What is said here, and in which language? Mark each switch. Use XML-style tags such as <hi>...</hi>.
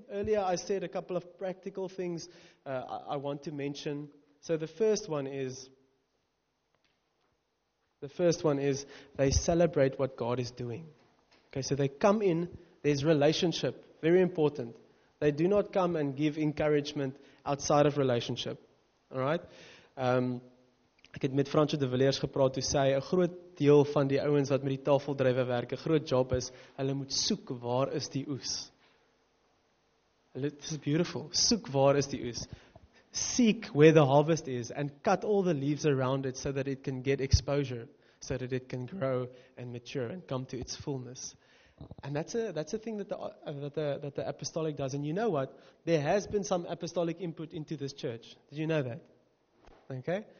<en>Earlier I said a couple of practical things I want to mention. So the first one is. The first one is they celebrate what God is doing. Okay, so they come in, there's relationship, very important. They do not come and give encouragement outside of relationship. All right?</en> <af>Ek het met Fransje de Villiers gepraat, toe sê, 'n groot deel van die ouens wat met die tafeldrywe werk, 'n groot job is, hulle moet soek, waar is die oes?</af> <en>This is beautiful.</en> <af>Soek, waar is die oes?</af> <en>Seek where the harvest is, and cut all the leaves around it, so that it can get exposure, so that it can grow and mature, and come to its fullness. And that's a thing that the apostolic does. And you know what? There has been some apostolic input into this church. Did you know that? Okay?</en>